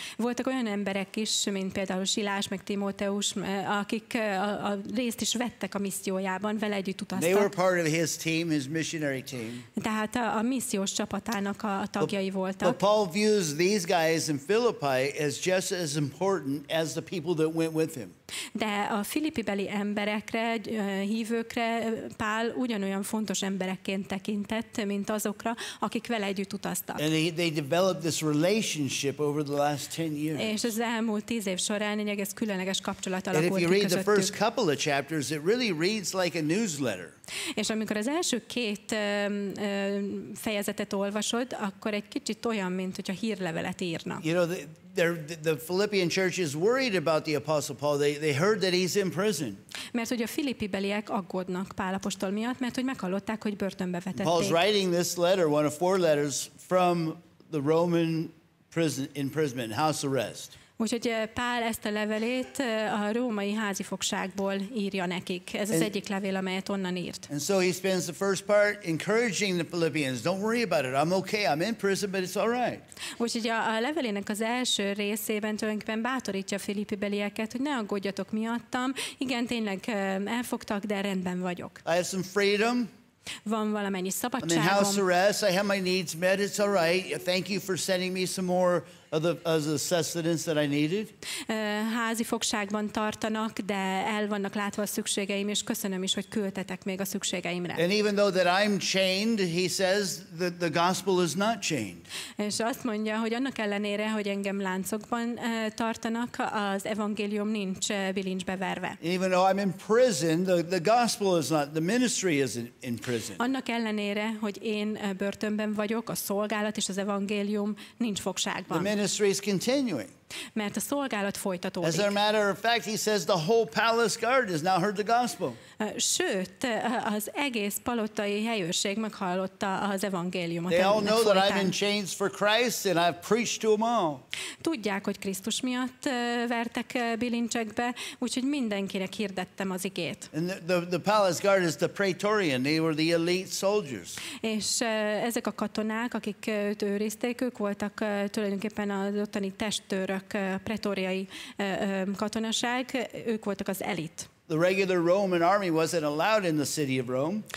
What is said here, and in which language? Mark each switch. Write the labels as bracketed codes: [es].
[hu] Voltak olyan emberek is, mint például Silás, meg Timóteus, akik a részt is vettek a missziójában, vele együtt utaztak. [en] They were part of his team, his missionary team. [hu] Tehát a missziós csapatának a tagjai voltak. [en] But Paul views these guys in Philippi as just as important as the people that went with him. [hu] De a filippibeli emberekre, hívőkre Pál ugyanolyan fontos emberekként tekintett, mint azokra, akik vele együtt utaztak. [en] And they developed this relationship over the last 10 years. [hu] És az elmúlt 10 év során egy egész különleges kapcsolat alakult ki közöttük. [en] And if you read the first couple of chapters, it really reads like a newsletter. [hu] És amikor az első két fejezetet olvasod, akkor egy kicsit olyan, mint hogyha hírlevelet írna. [en] You know, the Philippian church is worried about the Apostle Paul. They heard that he's in prison. [hu] Mert hogy a filippi beliek aggódnak Pál apostol miatt, mert hogy meghallották, hogy börtönbe vetették. [en] Paul's writing this letter, one of four letters, from the Roman prison, imprisonment, house arrest. [hu] Úgyhogy Pál ezt a levelét a római házi fogságból írja nekik. Ez az egyik levél, amelyet onnan írt. [en] And so he spends the first part encouraging the Philippians. Don't worry about it. I'm okay. I'm in prison, but it's all right. [hu] Úgyhogy a levelének az első részében tulajdonképpen bátorítja a filippi belieket, hogy ne aggódjatok miattam. Igen, tényleg elfogtak, de rendben vagyok. [en] I have some freedom. [hu] Van valamennyi szabadságom. [en] I'm in house arrest. I have my needs met. It's all right. Thank you for sending me some more of the sustenance that I needed. [hu] Házi fogságban tartanak, de el vannak látva a szükségeim, és köszönöm is, hogy küldtetek még a szükségeimre. [en] And even though that I'm chained, he says that the gospel is not chained. [hu] És azt mondja, hogy annak ellenére, hogy engem láncokban tartanak, az evangélium nincs bilincsbe verve. [en] Even though I'm in prison, the gospel is not, the ministry isn't in prison. [hu] Annak ellenére, hogy én börtönben vagyok, a szolgálat és az evangélium nincs fogságban. [en] Ministry is continuing. [hu] Mert a szolgálat folytatódik. [en] As a matter of fact, he says the whole palace guard has now heard the gospel. [hu] Sőt, az egész palotai helyőrség meghallotta az evangéliumot. [en] They all know that I'm in chains for Christ and I've preached to them all. [hu] Tudják, hogy Krisztus miatt vertek bilincsekbe, úgyhogy mindenkinek hirdettem az igét. [en] And the palace guard is the praetorian. They were the elite soldiers. [hu] És ezek a katonák, akik őt őrizték, ők voltak tulajdonképpen az ottani testtől pretoriai katonaság, ők voltak az elit. [en] The regular Roman army wasn't allowed in the city of Rome.